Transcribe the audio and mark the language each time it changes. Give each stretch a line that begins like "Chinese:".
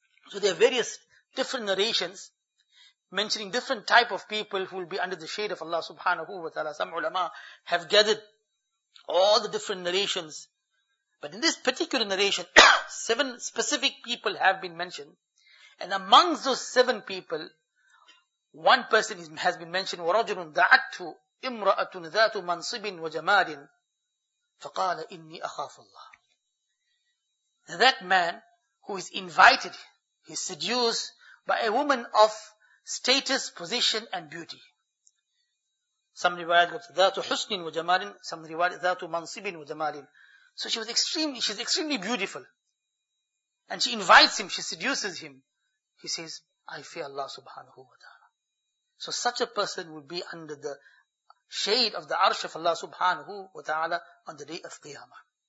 English: So there are various different narrations mentioning different type of people who will be under the shade of Allah subhanahu wa ta'ala. Some ulama have gathered all the different narrations. But in this particular narration, 7 specific people have been mentioned. And amongst those 7 people, one person has been mentioned,
Arabic: وَرَجُلٌ دَعَتْهُ إِمْرَأَةٌ ذَاتُ مَنْصِبٍ وَجَمَالٍ فَقَالَ إِنِّي أَخَافُ اللَّهِ.
English: That man who is invited, he is seduced by a woman of status, position and beauty. Some riwayat goes,
Arabic: ذَاتُ حُسْنٍ وَجَمَالٍ.
English: Some riwayat,
Arabic: ذَاتُ مَنْصِبٍ وَجَمَالٍ.
English: So she's extremely beautiful. And she invites him, she seduces him. He says, I fear Allah subhanahu wa ta'ala. So such a person will be under the shade of the arsh of Allah subhanahu wa ta'ala on the day of Qiyamah.